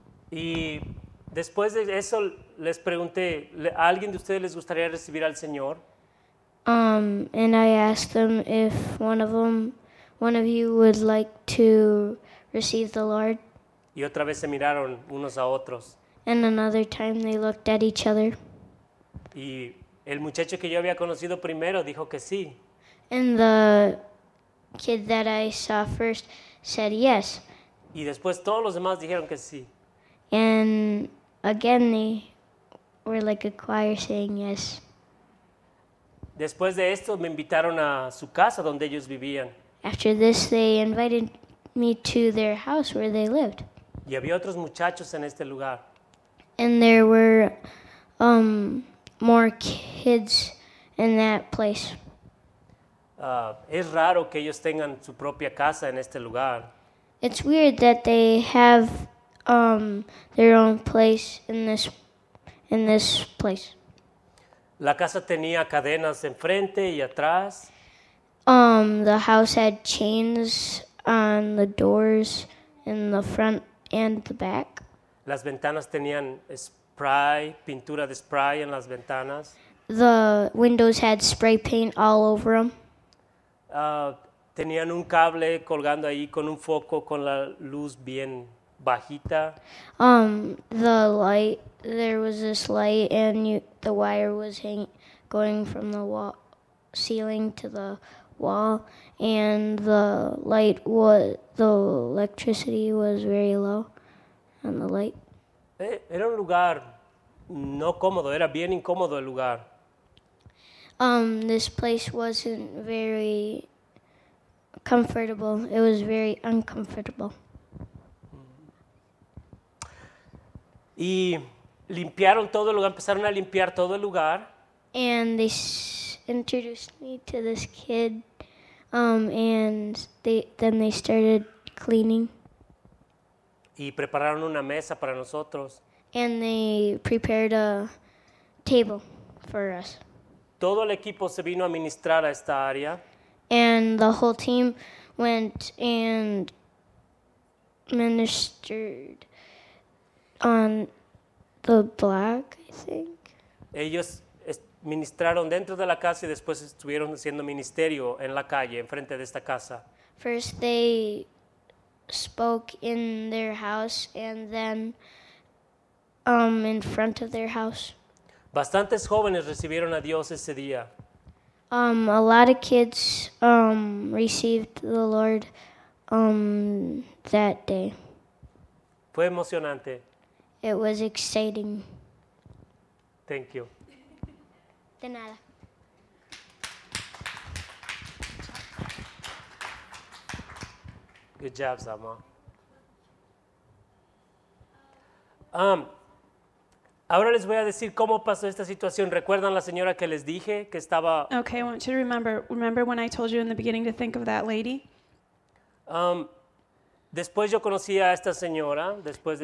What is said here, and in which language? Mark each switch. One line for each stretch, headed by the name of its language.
Spanish: Y después de eso les pregunté, ¿a alguien de ustedes les gustaría recibir al Señor?
English: And I asked them if one of you would like to receive the Lord.
Spanish: Y otra vez se miraron unos a otros.
English: And another time they looked at each other.
Spanish: Y el muchacho que yo había conocido primero dijo que sí.
English: And the kid that I saw first said yes.
Spanish: Y después todos los demás dijeron que sí.
English: And again they were like a choir saying yes.
Spanish: Después de esto me invitaron a su casa donde ellos vivían.
English: After this they invited me to their house where they lived.
Spanish: Y había otros muchachos en este lugar.
English: And there were more kids in that place.
Spanish: Es raro que ellos tengan su propia casa en este lugar.
English: It's weird that they have their own place in this place.
Spanish: La casa tenía cadenas enfrente y atrás.
English: The house had chains on the doors in the front and the back.
Spanish: Las ventanas tenían spray, pintura de spray en las ventanas.
English: The windows had spray paint all over them.
Spanish: Tenían un cable colgando ahí con un foco con la luz bien bajita.
English: The light, there was this light and the wire was going from the wall, ceiling to the wall, and the light was, the electricity was very low on the light.
Spanish: Era un lugar no cómodo, era bien incómodo el lugar.
English: This place wasn't very comfortable. It was very uncomfortable.
Spanish: Y limpiaron todo el lugar, empezaron a limpiar todo el lugar.
English: And they introduced me to this kid, and then they started cleaning.
Spanish: Y prepararon una mesa para nosotros.
English: And they prepared a table for us.
Spanish: Todo el equipo se vino a ministrar a esta área.
English: And the whole team went and ministered on the block, I think.
Spanish: Ellos ministraron dentro de la casa y después estuvieron haciendo ministerio en la calle, enfrente de esta casa.
English: First they spoke in their house and then in front of their house.
Spanish: Bastantes jóvenes recibieron a Dios ese día.
English: A lot of kids received the Lord that day.
Spanish: Fue emocionante.
English: It was exciting. Thank you.
Spanish: De nada.
English: Good job, Zama.
Spanish: Ahora les voy a decir cómo pasó esta situación. ¿Recuerdan la señora que les dije que estaba?
English: Okay, I want you to remember. Remember when I told you in the beginning to think of that lady?
Spanish: Después yo conocí a esta señora, después de